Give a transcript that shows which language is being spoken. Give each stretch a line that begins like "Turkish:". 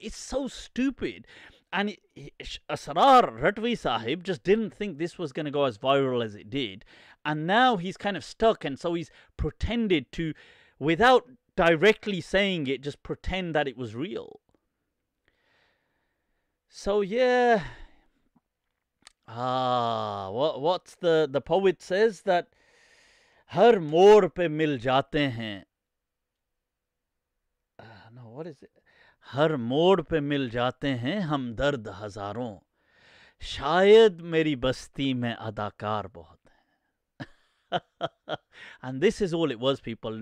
English: It's so stupid. And Asrar Ratvi Sahib just didn't think this was going to go as viral as it did. And now he's kind of stuck. And so he's pretended to, without directly saying it, just pretend that it was real. So, yeah. What's the poet says that
Urdu: ہر موڑ پے مل جاتے ہیں.
English: No, what is it?
Urdu: ہر موڑ پے مل جاتے ہیں ہم درد ہزاروں. شاید میری بستی میں اداکار بہت ہیں.
English: And this is all it was, people.